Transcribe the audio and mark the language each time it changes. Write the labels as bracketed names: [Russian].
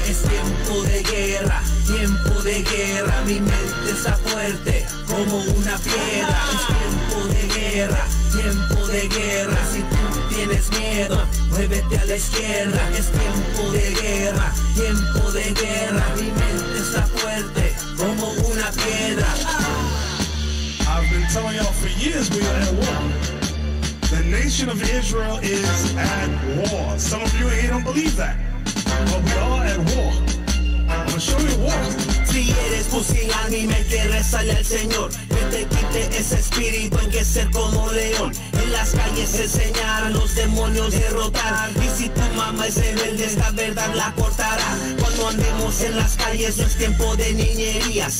[Spanish] Es tiempo de guerra, mi mente está fuerte como una piedra. Es tiempo de guerra, si tú tienes miedo, muévete a la izquierda. Es tiempo de guerra, mi mente está fuerte como una piedra. [English] I've been telling y'all for years we are at war. The nation of Israel is at war. Some of you here don't believe that, but we are at war. I'm gonna show you war. [Spanish] Si eres pusilánime, que rezale al Señor, que te quite ese espíritu, hay que ser como león. En las calles enseñar a los demonios derrotar. Y si tu mamá es rebelde, esta verdad la cortará. Cuando andemos en las calles, no es tiempo de niñerías.